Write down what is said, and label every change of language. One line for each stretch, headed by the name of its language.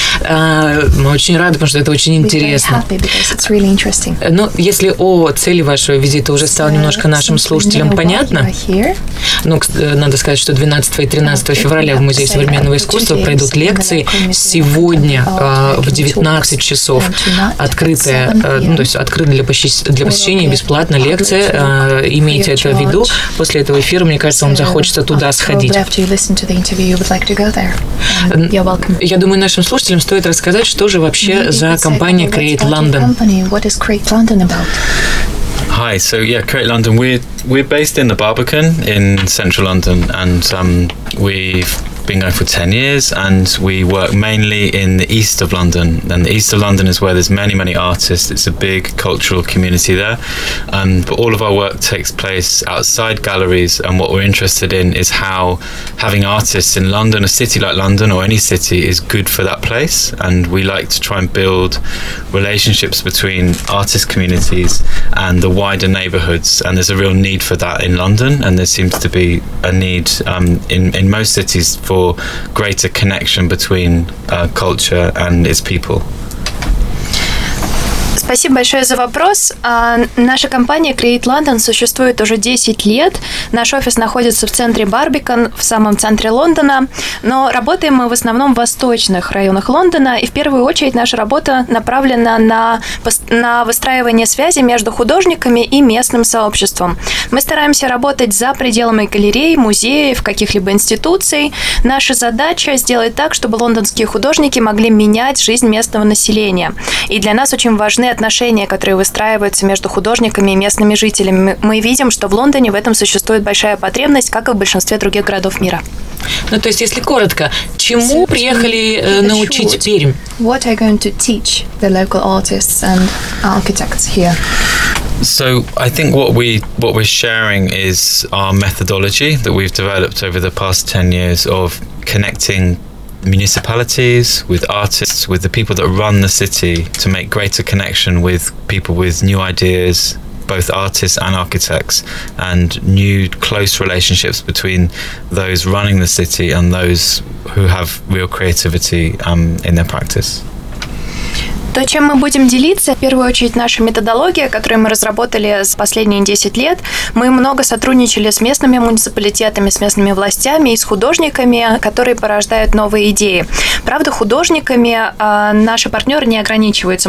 Russian: Мы очень рады, потому что это очень интересно. Ну, если о цели вашего визита уже стало немножко нашим слушателям понятно, ну, надо сказать, что 12 и 13 февраля в Музее современного искусства пройдут лекции. Сегодня в 19 часов открытая, ну, то есть открытая для посещения бесплатно лекция. Имейте это в виду. После этого эфира, мне кажется, вам захочется туда сходить.
English: The interview, you would like to go there. You're welcome.
Russian: Я думаю, нашим слушателям стоит рассказать, что же вообще за компания Create London.
English: What is Create London about? Hi, so yeah, Create London. We're based in the Barbican in central London, and we've been going for 10 years, and we work mainly in the east of London. And the east of London is where there's many, many artists. It's a big cultural community there. But all of our work takes place outside galleries, and what we're interested in is how having artists in London, a city like London or any city, is good for that place. And we like to try and build relationships between artist communities and the wider neighborhoods. And there's a real need for that in London, and there seems to be a need in most cities for greater connection between culture and its people.
Russian: Спасибо большое за вопрос. Наша компания Create London существует уже 10 лет. Наш офис находится в центре Барбикан, в самом центре Лондона. Но работаем мы в основном в восточных районах Лондона. И в первую очередь наша работа направлена на выстраивание связи между художниками и местным сообществом. Мы стараемся работать за пределами галерей, музеев, каких-либо институций. Наша задача сделать так, чтобы лондонские художники могли менять жизнь местного населения. И для нас очень важны отношения, которые выстраиваются между художниками и местными жителями. Мы видим, что в Лондоне в этом существует большая потребность, как и в большинстве других городов мира. Ну, то есть, если коротко, чему приехали научить Пермь?
English: What are you going to teach the local artists and architects here? So I think what we're sharing is our methodology that we've developed over the past 10 years of connecting municipalities, with artists, with the people that run the city, to make greater connection with people with new ideas, both artists and architects, and new close relationships between those running the city and those who have real creativity in their practice.
Russian: То, чем мы будем делиться, в первую очередь, наша методология, которую мы разработали за последние 10 лет. Мы много сотрудничали с местными муниципалитетами, с местными властями и с художниками, которые порождают новые идеи. Правда, художниками наши партнеры не ограничиваются.